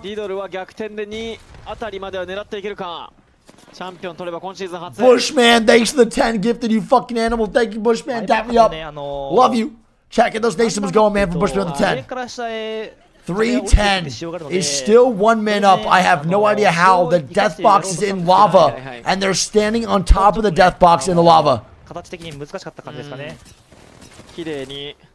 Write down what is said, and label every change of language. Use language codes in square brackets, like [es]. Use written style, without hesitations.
[ja] リドルは逆転で2あたりまでは狙っていけるか。チャンピオン取れば今シーズン初。Bushman, [en] thanks for the 10 gifted, you fucking animal. Thank you, Bushman. Dap me up. Love you. Check it. Those nations going, man, for Bushman on the 10. 310 is still one man up. I have no idea how. The death box is in lava, and they're standing on top of the death box in the lava. [ja] 形的に難しかった感じですかね。綺麗に。